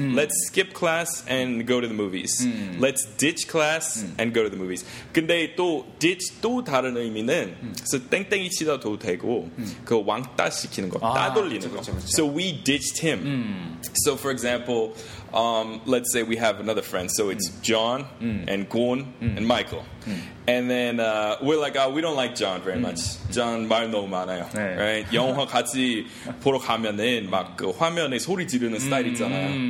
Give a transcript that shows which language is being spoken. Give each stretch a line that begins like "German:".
English: Let's skip class and go to the movies. Let's ditch class and go to the movies.
Korean: 근데 또 ditch 또 다른 의미는 so 땡땡이 치다도 되고 그 왕따 시키는 거 따돌리는 거. 그렇죠, 그렇죠.
English: So we ditched him. So for example, let's say we have another friend. So it's John and Gon and Michael. And then we're like, oh, we don't like John very much.
Korean: John 말 너무 많아요. 네.
English: Right?
Korean: 영화 같이 보러 가면은 막 그 화면에 소리 지르는 스타일 있잖아요.